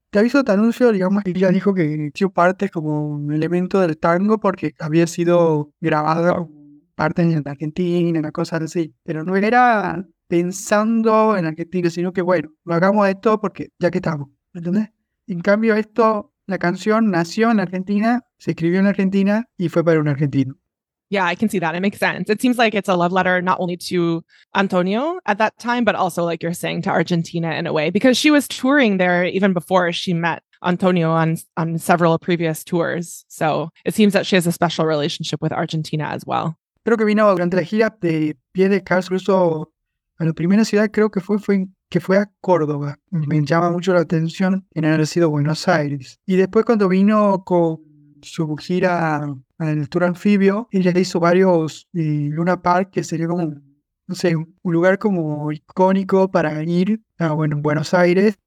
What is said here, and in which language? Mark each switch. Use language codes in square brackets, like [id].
[es] Te Aviso, Te Anuncio, digamos, ella dijo que tuvo partes como un elemento del tango porque había sido grabada parte en Argentina, una cosa así. Pero no era pensando en Argentina, sino que bueno, lo hagamos esto porque ya que estamos, ¿me entiendes? En cambio esto, la canción nació en Argentina, se escribió en Argentina y fue para un argentino. [en] Yeah, I can see that. It makes sense. It seems like it's a love letter not only to Antonio at that time, but also like you're saying to Argentina in a way, because she was touring there even before she met Antonio on several previous tours. So it seems that she has a special relationship with Argentina as well. [es] Creo que vino durante la gira de Pie de Calzruso. A la primera ciudad creo que fue a Córdoba. Me llama mucho la atención en haber sido Buenos Aires. Y después cuando vino con su gira en el Tour Anfibio, ella hizo varios Luna Park, que sería como, no sé, un lugar como icónico para ir a Buenos Aires.